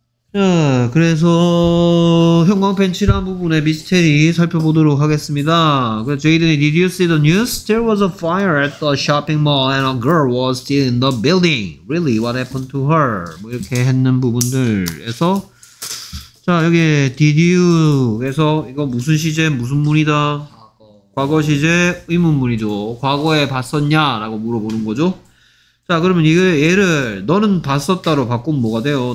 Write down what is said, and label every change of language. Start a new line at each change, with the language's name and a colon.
Korean: 자, 그래서 형광펜칠한 부분의 미스테리 살펴보도록 하겠습니다.
English: 제이든이 Did you see the news? There was a fire at the shopping mall and a girl was still in the building. Really? What happened to her?
Korean: 뭐 이렇게 했는 부분들에서 자 여기 Did you에서 이거 무슨 시제 무슨 문이다? 과거 시제 의문문이죠. 과거에 봤었냐? 라고 물어보는 거죠. 자 그러면 이거 얘를 너는 봤었다로 바꾸면 뭐가 돼요?